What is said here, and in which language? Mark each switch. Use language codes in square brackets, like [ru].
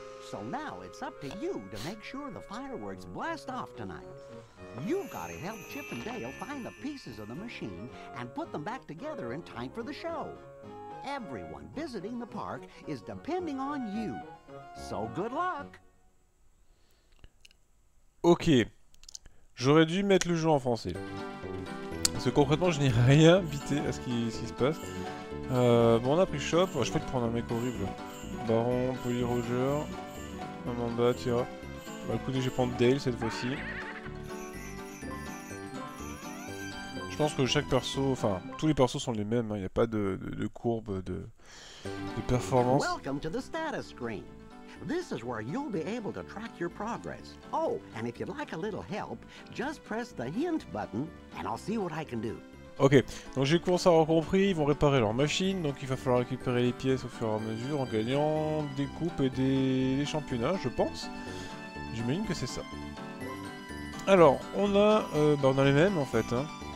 [en] So now it's up to you to make sure the fireworks blast off tonight. You've got to help Chip and Dale find the pieces of the machine and put them back together in time for the show. Everyone visiting the park is depending on you. So good luck! [fr] Ok. J'aurais dû mettre le jeu en français. parce que concrètement je n'ai rien vité à ce qui se passe. Bon, on a pris Chop, je peux te prendre un mec horrible. Baron, Poly Roger, Amanda, Tira. Bah écoutez, je vais prendre Dale cette fois-ci. Je pense que chaque perso, enfin tous les persos sont les mêmes, hein. Y a pas de courbe de performance. [en] Welcome to the status screen. This is where you'll be able to track your progress. Oh, and if you'd like a little help, just press the hint button and I'll see what I can do. [fr] Ok, donc j'ai commencé à avoir compris, ils vont réparer leur machine, donc il va falloir récupérer les pièces au fur et à mesure en gagnant des coupes et des championnats, je pense. J'imagine que c'est ça. Alors, on a on a les mêmes en fait. Hein.